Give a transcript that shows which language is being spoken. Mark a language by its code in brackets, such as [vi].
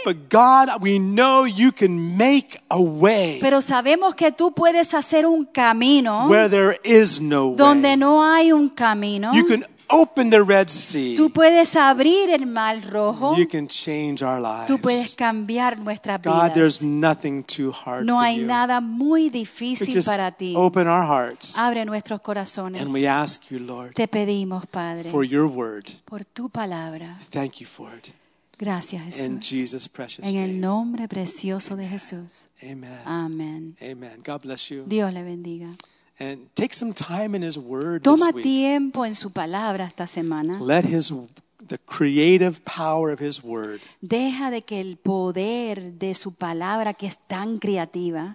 [en] But God, we know you can make a way. [es] Pero sabemos que tú puedes hacer un camino. [en] Where there is no way. [es] Donde no hay un camino. [en] You can open the Red Sea. [es] Tú puedes abrir el Mar Rojo. [en] You can change our lives. [es] Tú puedes cambiar nuestras [en] God, [es] vidas. [en] There's nothing too hard [es] no [en] for [es] hay [en] you. [es] Nada muy difícil [en] just [es] para ti. [en] Open our hearts. [es] Abre nuestros corazones. [en] And we ask you, Lord. [es] Te pedimos, Padre. [en] For your word. [es] Por tu palabra. [en] Thank you for it. [es] Gracias, Jesús. [en] In Jesus' precious [es] en el Nombre precioso amen. De Jesús. Amen. Amen. [en] Amen. God bless you. [es] Dios le bendiga. [en] And take some time in his word [es] toma [en] this week. [es] Tiempo en su palabra esta semana. [en] Let his the creative power of his word. [es] Deja de que el poder de su palabra que es tan creativa.